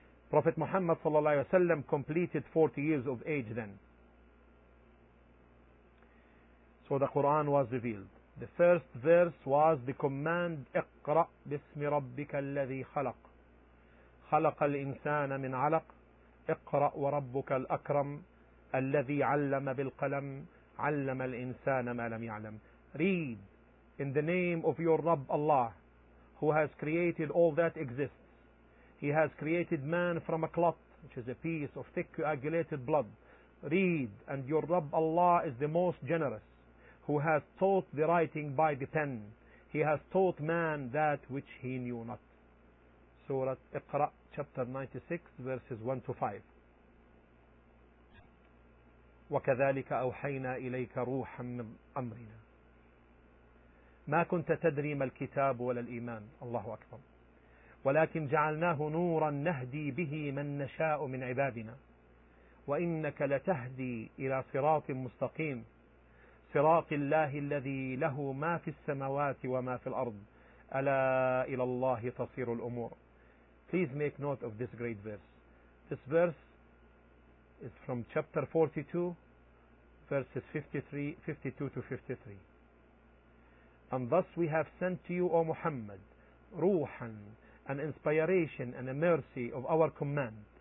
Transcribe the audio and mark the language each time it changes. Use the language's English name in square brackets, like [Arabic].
[English] Prophet Muhammad sallallahu alaihi wasallam completed 40 years of age then. So the Quran was revealed. The first verse was the command, [Arabic] اقرأ بسم ربك الذي خلق. خلق الإنسان من علق. اقرأ وربك الأكرم الذي علم بالقلم. علم الإنسان ما لم يعلم. [English] Read, in the name of your Rabb Allah, who has created all that exists. He has created man from a clot, which is a piece of thick coagulated blood. Read, and your Rabb Allah is the most generous, who has taught the writing by the pen. He has taught man that which he knew not. Surah Iqra, chapter 96, verses 1 to 5. [Arabic] وَكَذَلِكَ أَوْحَيْنَا إِلَيْكَ رُوحًا مِّنْ أَمْرِنَا مَا كُنْتَ تَدْرِي مَا الْكِتَابُ وَلَا الْإِيمَانِ. الله أكبر. وَلَكِنْ جَعَلْنَاهُ نُورًا نَهْدِي بِهِ مَنْ نَشَاءُ مِنْ عِبَادِنَا وَإِنَّكَ لَتَهْدِي إِلَى صِرَاطٍ مُسْتَقِيمٍ صراط الله الذي له ما في السماوات وما في الأرض ألا إلى الله تصير الأمور. [English] Please make note of this great verse. This verse is from chapter 42, verses 52 to 53. And thus we have sent to you, O Muhammad, ruhan, an inspiration and a mercy of our command.